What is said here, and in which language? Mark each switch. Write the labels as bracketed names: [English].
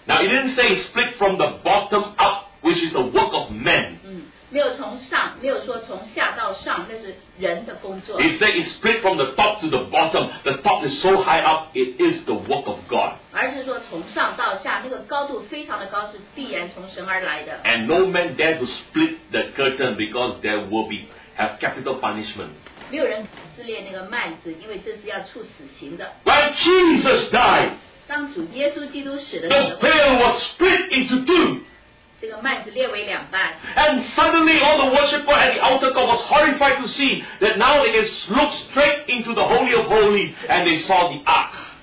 [English] Now it didn't say split from the bottom up, which is the work of men. [Chinese] 没有从上，没有说从下到上，那是人的工作。 [English] It said it split from the top to the bottom. The top is so high up, it is the work of God. [Chinese] 而是说从上到下，那个高度非常的高，是必然从神而来的。 [English] And no man dared to split the curtain because there will be have capital punishment. [Chinese] 没有人撕裂那个幔子，因为这是要处死刑的。 [English] When Jesus died, [Chinese] 当主耶稣基督死的时候, [English] the veil was split into two. And suddenly all the worshipper at the altar court was horrified to see that now they can look straight into the Holy of Holies and they saw the ark.